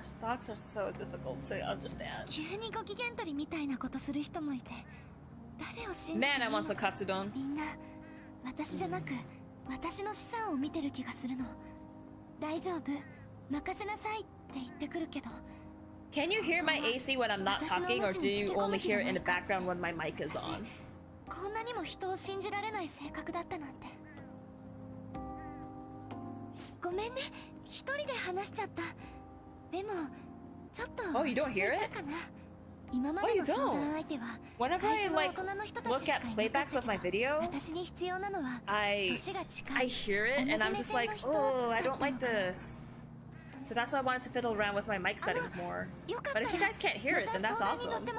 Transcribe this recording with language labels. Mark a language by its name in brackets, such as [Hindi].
[English] Stocks are so difficult to understand. [Japanese] 急にご機嫌取りみたいなことする人もいて、誰を信じるのか。みんな私じゃなく私の資産を見てる気がするの。大丈夫、任せなさいって言ってくるけど。 [English] Can you hear my AC when I'm not talking, or do you only hear it in the background when my mic is on? [Japanese] こんなにも人を信じられない性格だったなんて。ごめんね、一人で話しちゃった。でもちょっと落ち着いたかな。今までの相談相手は会社の大人の人たちしかいなかったけど、 video, 私に必要なのは年が近い同じ目線の人だったのかな。 [English] So that's why I wanted to fiddle around with my mic settings more. But if you guys can't hear it, then that's awesome.